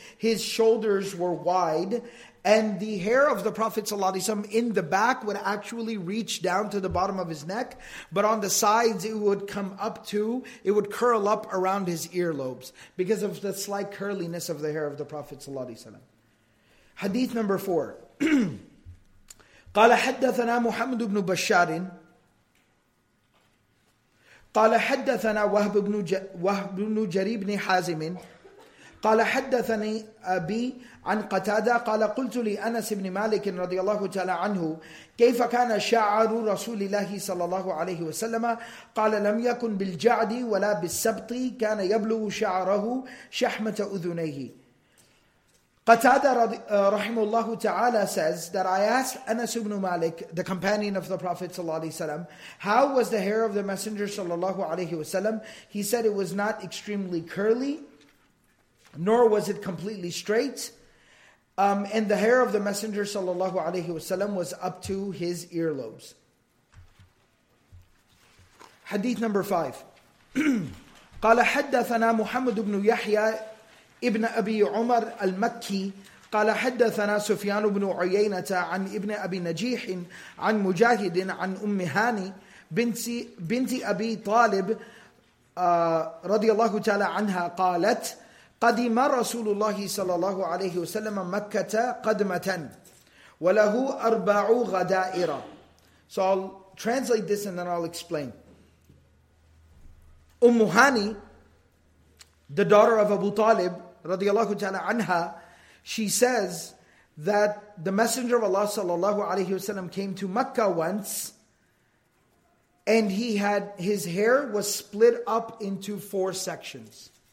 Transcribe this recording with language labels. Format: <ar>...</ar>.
<en>His shoulders were wide, and the hair of the Prophet sallallahu alayhi wa sallam in the back would actually reach down to the bottom of his neck, but on the sides it would curl up around his earlobes because of the slight curliness of the hair of the Prophet sallallahu alayhi wa sallam. Hadith number 4.</en> <ar>قَالَ حَدَّثَنَا مُحَمَّدُ بْنُ بَشَّارٍ قال حدثنا وهب بن جرير بن حازم قال حدثني أبي عن قتادة قال قلت لي أنس بن مالك رضي الله تعالى عنه كيف كان شعر رسول الله صلى الله عليه وسلم قال لم يكن بالجعد ولا بالسبط كان يبلغ شعره شحمة أذنيه</ar> <en>Qatada rahimullahu ta'ala says that I asked Anas ibn Malik, the companion of the Prophet sallallahu alaihi wasallam, how was the hair of the Messenger sallallahu alaihi wasallam? He said it was not extremely curly, nor was it completely straight. And the hair of the Messenger sallallahu alaihi wasallam was up to his earlobes. Hadith number 5.</en> <ar>قال حدثنا محمد بن يحيى ابن أبي عمر المكي قال حدثنا سفيان بن عيينة عن ابن أبي نجيح عن مجاهد عن أم هاني بنت أبي طالب رضي الله تعالى عنها قالت قدم رسول الله صلى الله عليه وسلم مكة قدمة وله أربع غدائر.</ar> <en>So I'll translate this and then I'll explain. Umm Hani, the daughter of Abu Talib, radiallahu ta'ala anha, she says that the Messenger of Allah sallallahu alayhi wa sallam came to Mecca once and he had his hair was split up into four sections.</en>